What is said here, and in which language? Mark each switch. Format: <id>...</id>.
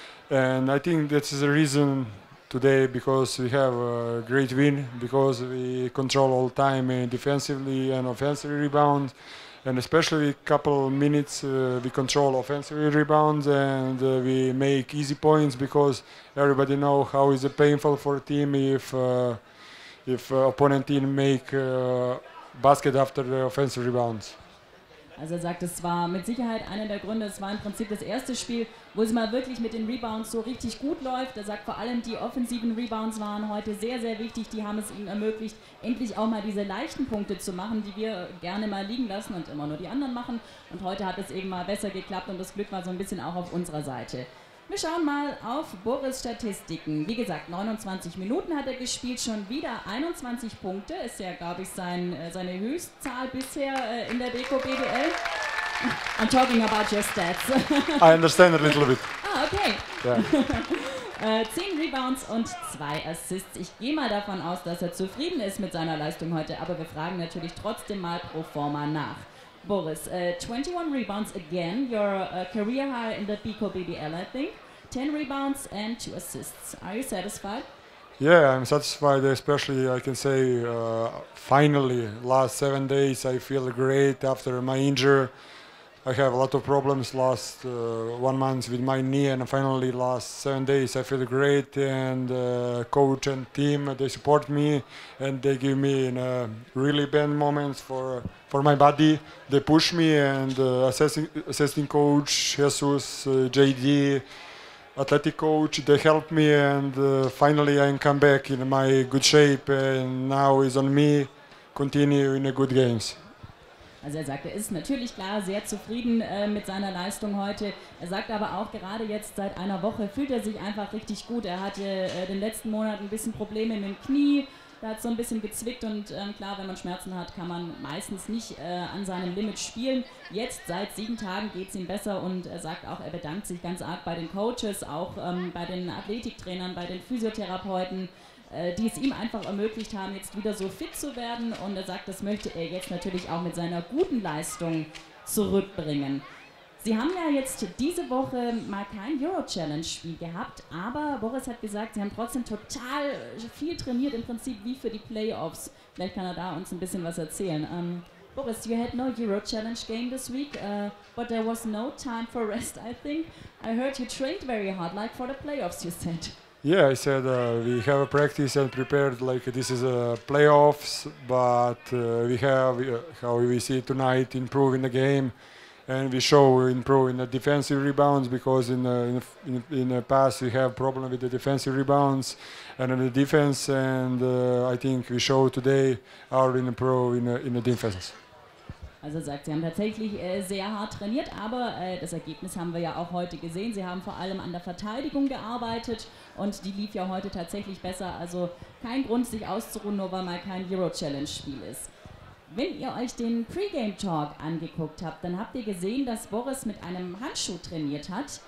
<en>And I think that's the reason today, because we have a great win, because we control all time defensively and offensively rebound, and especially a couple minutes we control offensively rebounds, and we make easy points, because everybody know how is it painful for a team if opponent team make basket after the offensive rebounds.</en> <de>Also er sagt, es war mit Sicherheit einer der Gründe, es war im Prinzip das erste Spiel, wo es mal wirklich mit den Rebounds so richtig gut läuft. Er sagt, vor allem die offensiven Rebounds waren heute sehr, sehr wichtig. Die haben es ihnen ermöglicht, endlich auch mal diese leichten Punkte zu machen, die wir gerne mal liegen lassen und immer nur die anderen machen. Und heute hat es eben mal besser geklappt und das Glück war so ein bisschen auch auf unserer Seite. Wir schauen mal auf Boris' Statistiken. Wie gesagt, 29 Minuten hat er gespielt, schon wieder 21 Punkte. Ist ja, glaube ich, seine Höchstzahl bisher in der BKBBL.</de> <en>I'm talking about your stats. I understand a little bit. Ah, okay. Yeah.</en> <de>10 Rebounds und 2 Assists. Ich gehe mal davon aus, dass er zufrieden ist mit seiner Leistung heute, aber wir fragen natürlich trotzdem mal pro forma nach.</de> <en>Boris, 21 rebounds again, your career high in the Pico BBL, I think. 10 rebounds and 2 assists. Are you satisfied? Yeah, I'm satisfied, especially I can say finally, last 7 days I feel great after my injury. I have a lot of problems last 1 month with my knee, and finally last 7 days I feel great, and coach and team, they support me and they give me in a really bad moments for my body. They push me, and assessing coach Jesus, JD, athletic coach, they helped me, and finally I come back in my good shape, and now it's on me continue in the good games.</en> <de>Also er sagt, er ist natürlich klar sehr zufrieden mit seiner Leistung heute. Er sagt aber auch, gerade jetzt seit einer Woche fühlt er sich einfach richtig gut. Er hatte in den letzten Monaten ein bisschen Probleme mit dem Knie. Da hat so ein bisschen gezwickt und klar, wenn man Schmerzen hat, kann man meistens nicht an seinem Limit spielen. Jetzt seit 7 Tagen geht es ihm besser und er sagt auch, er bedankt sich ganz arg bei den Coaches, auch bei den Athletiktrainern, bei den Physiotherapeuten, die es ihm einfach ermöglicht haben, jetzt wieder so fit zu werden. Und er sagt, das möchte er jetzt natürlich auch mit seiner guten Leistung zurückbringen. Sie haben ja jetzt diese Woche mal kein Euro-Challenge-Spiel gehabt, aber Boris hat gesagt, Sie haben trotzdem total viel trainiert, im Prinzip wie für die Playoffs. Vielleicht kann er da uns ein bisschen was erzählen.</de> <en>Boris, you had no Euro-Challenge-Game this week, but there was no time for rest, I think. I heard you trained very hard, like for the playoffs, you said. Yeah, I said we have a practice and prepared like this is a playoffs, but we have, how we see tonight, improving the game. And we show improving the defensive rebounds, because in the past we have problem with the defensive rebounds and in the defense, and I think we show today our in the defense.</en> <de>Also sagt, Sie haben tatsächlich sehr hart trainiert, aber das Ergebnis haben wir ja auch heute gesehen. Sie haben vor allem an der Verteidigung gearbeitet und die lief ja heute tatsächlich besser. Also kein Grund, sich auszuruhen, nur weil mal kein Euro-Challenge-Spiel ist. Wenn ihr euch den Pre-Game-Talk angeguckt habt, dann habt ihr gesehen, dass Boris mit einem Handschuh trainiert hat.</de>